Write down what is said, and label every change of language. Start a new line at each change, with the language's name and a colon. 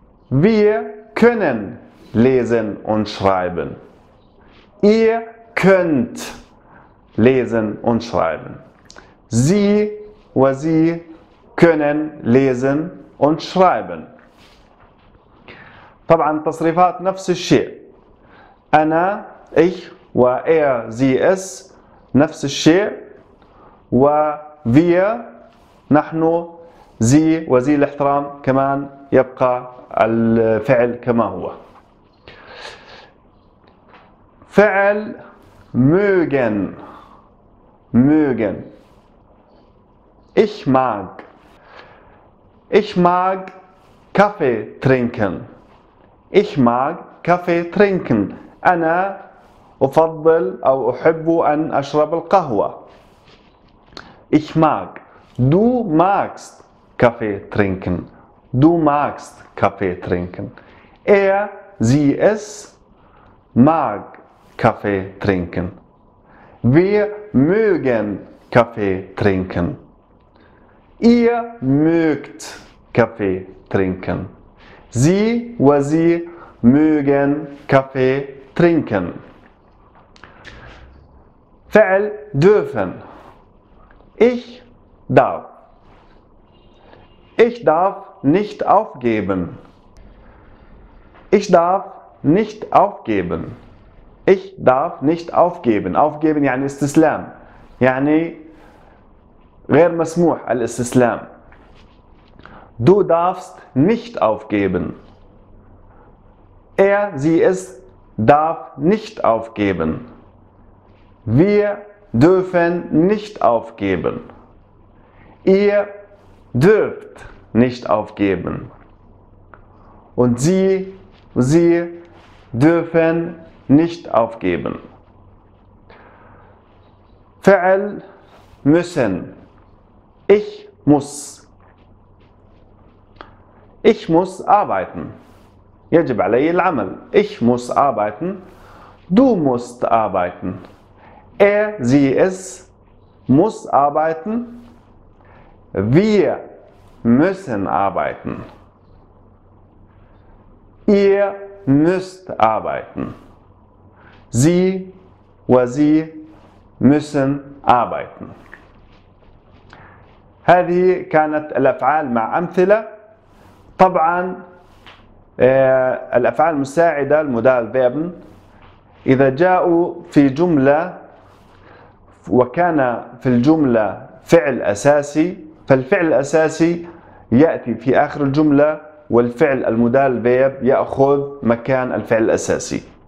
German: wir können lesen und schreiben. Ihr könnt lesen und schreiben. Sie oder sie können lesen und schreiben.
Arabic: طبعا التصريفات نفس الشيء.
German: أنا، ich oder er, sie, es
Arabic: نفس الشيء. وwir نحن،
German: sie oder sie
Arabic: الاحترام كمان يبقى الفعل كما هو. فعل
German: mögen. Mögen. Ich mag. Ich mag Kaffee trinken. Ich mag Kaffee trinken.
Arabic: أنا أفضل أو أحب أن أشرب القهوة.
German: Ich mag. Du magst Kaffee trinken. Du magst Kaffee trinken. Er, sie, es mag Kaffee trinken. Wir mögen Kaffee trinken. Ihr mögt Kaffee trinken. Sie und sie mögen Kaffee trinken.
Arabic: فعل
German: dürfen. Ich darf. Ich darf nicht aufgeben. Ich darf nicht aufgeben. Ich darf nicht aufgeben.
Arabic: Aufgeben يعني استسلام. يعني غير مسموح الاستسلام.
German: Du darfst nicht aufgeben. Er, sie, es darf nicht aufgeben. Wir dürfen nicht aufgeben. Ihr dürft nicht aufgeben. Und sie, sie dürfen nicht aufgeben.
Arabic: فعل
German: müssen. Ich muss. Ich muss arbeiten.
Arabic: يجب علي العمل.
German: Ich muss arbeiten. Du musst arbeiten. Er, sie, es muss arbeiten. Wir müssen arbeiten. Ihr müsst arbeiten. Sie oder sie müssen arbeiten.
Arabic: هذه كانت الأفعال مع أمثلة. طبعا الأفعال المساعدة المودال فيربن إذا جاءوا في جملة وكان في الجملة فعل أساسي فالفعل الأساسي يأتي في آخر الجملة والفعل المودال فيرب يأخذ مكان الفعل الأساسي.